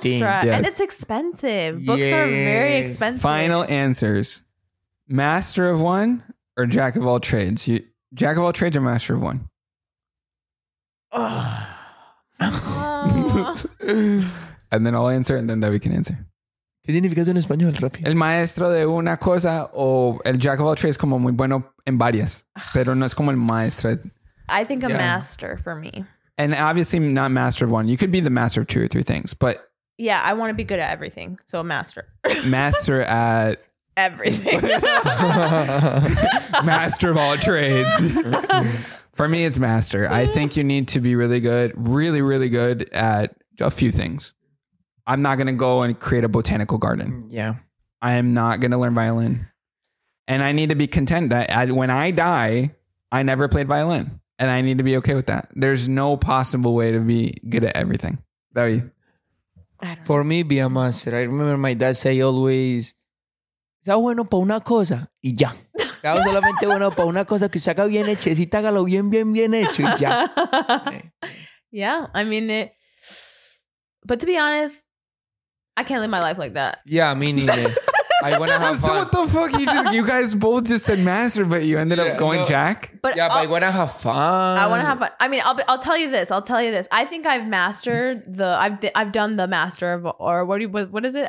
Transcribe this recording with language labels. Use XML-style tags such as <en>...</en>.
<en>So yes. And it's expensive. Books are very expensive. Final answers. Master of one or jack of all trades? Jack of all trades or master of one? And then I'll answer and then we can answer.</en> <es>¿Qué significa eso en español, Rafi? El maestro de una cosa o el jack of all trades es como muy bueno en varias, pero no es como el maestro.</es> <en>I think a master for me. And obviously not master of one. You could be the master of two or three things, but... Yeah, I want to be good at everything, so a master. Master at... everything. Master of all trades. For me, it's master. I think you need to be really good, really, really good at a few things. I'm not going to go and create a botanical garden. Yeah. I am not going to learn violin. And I need to be content that when I die, I never played violin. And I need to be okay with that. There's no possible way to be good at everything. For me, be a master. I remember my dad say always,</en> <es>"Está bueno para una cosa y ya." Estaba solamente bueno para una cosa que se haga bien hechecita, hágalo bien, bien, bien hecho y ya.</es> <en>Yeah. I mean, but to be honest, I can't live my life like that. Yeah, me neither. I want to have fun. What the fuck? You guys both just said master, but you ended up going jack? But I want to have fun. I want to have fun. I mean, I'll tell you this. I think I've mastered I've done the master of, or what is it?</en>